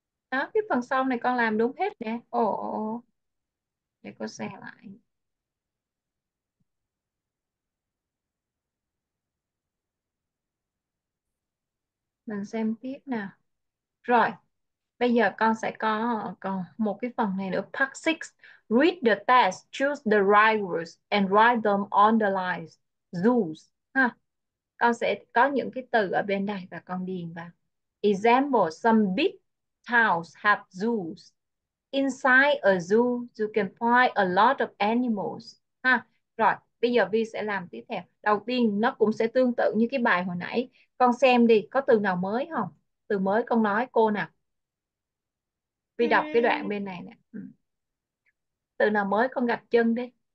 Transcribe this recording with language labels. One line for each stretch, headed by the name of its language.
Vietnamese: Đó, cái phần sau này con làm đúng hết nè. Ồ, để con xem lại. Mình xem tiếp nè. Rồi, bây giờ con sẽ có còn một cái phần này nữa.
English: Part 6. Read the test, choose the right words and write them on the lines. Zoos.
Vietnamese: Con sẽ có những cái từ ở bên này và con điền vào.
English: Example, some big towns have zoos. Inside a zoo, you can find a lot of animals.
Vietnamese: Rồi, bây giờ Vi sẽ làm tiếp theo. Đầu tiên, nó cũng sẽ tương tự như cái bài hồi nãy. Con xem đi, có từ nào mới không? Từ mới con nói cô nè. Vi đọc cái đoạn bên này nè. Từ nào mới con gạch chân đi.